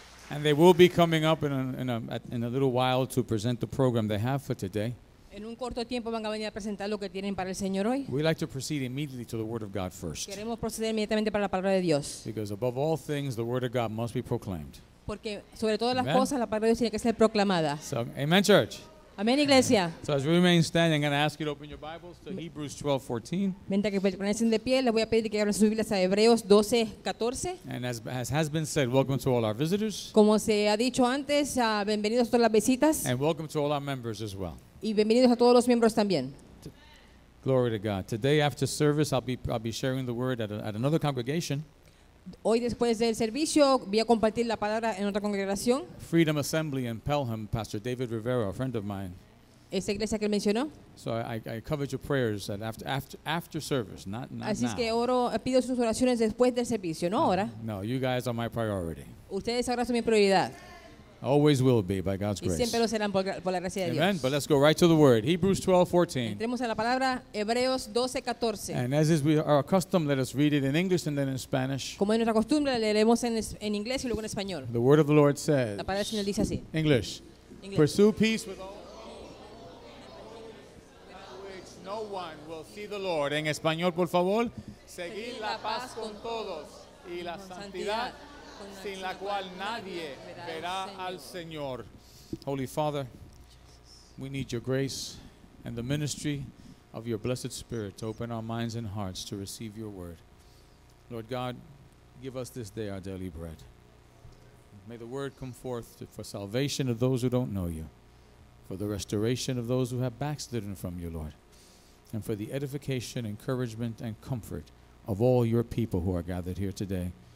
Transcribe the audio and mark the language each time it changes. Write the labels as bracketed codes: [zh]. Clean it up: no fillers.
[en] And they will be coming up in a little while to present the program they have for today. [es] En un corto tiempo van a venir a presentar lo que tienen para el Señor hoy. [en] We like to proceed immediately to the Word of God first. [es] Queremos proceder inmediatamente para la palabra de Dios. [en] Because above all things, the Word of God must be proclaimed. [es] Porque sobre todas las cosas, la palabra de Dios tiene que ser proclamada. [en] So, amen, church. [es] Amen, iglesia. [en] So as we remain standing, I'm going to ask you to open your Bibles to Hebrews 12:14. [es] Mientras que permanecen de pie, les voy a pedir que abran sus Biblias a Hebreos 12:14. [en] And as has been said, welcome to all our visitors. [es] Como se ha dicho antes, bienvenidos a todas las visitas. [en] And welcome to all our members as well. [es] Y bienvenidos a todos los miembros también. [en] Glory to God. Today after service, I'll be sharing the word at another congregation. [es] Hoy después del servicio voy a compartir la palabra en otra congregación. [en] Freedom Assembly in Pelham, Pastor David Rivera, a friend of mine. [es] Esa iglesia que él mencionó. [en] So I covered your prayers at after service, not [es] Así [en] now. [es] Es que oro, pido sus oraciones después del servicio, no ahora. [en] No, you guys are my priority. [es] Ustedes ahora son mi prioridad. [en] Always will be by God's [es] y [en] grace. [es] Siempre lo serán por la gracia de Dios. [en] Amen. But let's go right to the word. Hebrews 12:14. [es] Entremos a la palabra Hebreos 12:14. [en] And as is our custom, let us read it in English and then in Spanish. [es] Como es nuestra costumbre, leeremos en inglés y luego en español. [en] The word of the Lord says. [es] La palabra del Señor dice así. [en] English. Pursue peace with all. Which no one will see the Lord. [es] En español, por favor. Seguir la paz con todos y la santidad. Sin la cual nadie verá al Señor. [en] Holy Father, we need your grace and the ministry of your blessed Spirit to open our minds and hearts to receive your word. Lord God, give us this day our daily bread. May the word come forth for salvation of those who don't know you, for the restoration of those who have backslidden from you, Lord, and for the edification, encouragement, and comfort of all your people who are gathered here today.